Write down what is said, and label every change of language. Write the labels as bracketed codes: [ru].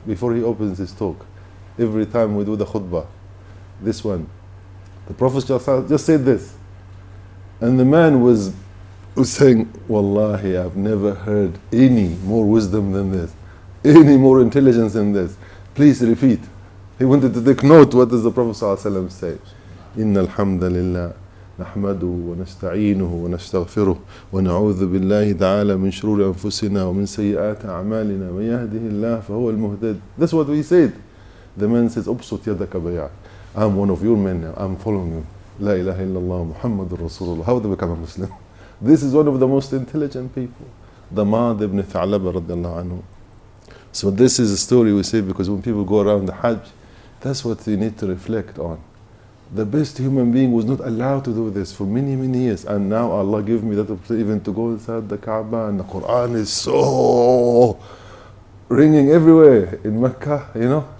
[en] Before he opens his talk, every time we do the khutbah, this one, the Prophet just said this, and the man was saying, wallahi, I've never heard any more wisdom than this, any more intelligence than this. Please repeat. He wanted to take note what does the Prophet صلى الله عليه وسلم say. [ar] إن الحمد لله نحمده ونستعينه ونستغفره ونعوذ بالله تعالى من شرور أنفسنا ومن سيئات أعمالنا من يهده الله فهو المهتد. [en] That's what we said. The man says, أبسط يدك بيعك. I'm one of your men now. I'm following you. [ar] لا إله إلا الله محمد رسول الله. How did they become a Muslim? [en] This is one of the most intelligent people. Damad ibn Tha'lab رضي الله عنه. So this is a story we say because when people go around the Hajj, that's what you need to reflect on. The best human being was not allowed to do this for many, many years. And now Allah gave me that opportunity even to go inside the Kaaba, and the Quran is so ringing everywhere in Mecca, you know.